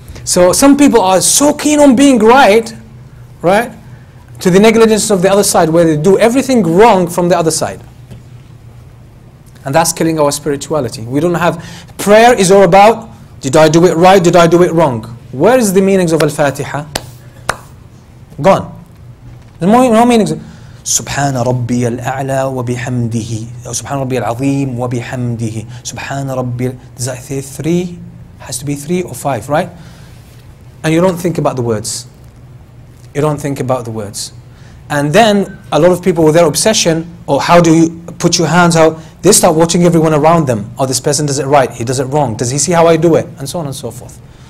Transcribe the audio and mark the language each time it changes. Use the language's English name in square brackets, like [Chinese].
[English] So some people are so keen on being right, to the negligence of the other side, where they do everything wrong from the other side. And that's killing our spirituality. We don't have, prayer is all about, did I do it right, did I do it wrong? Where is the meanings of Al-Fatiha? Gone. There's no meanings. [Arabic] سبحان ربي الأعلى وبحمده أو سبحان ربي العظيم وبحمده سبحان ربي. [English] Does that say three? Has to be three or five, right? And you don't think about the words. You don't think about the words. And then a lot of people with their obsession, or how do you put your hands out, they start watching everyone around them. Oh, this person does it right, he does it wrong. Does he see how I do it? And so on and so forth.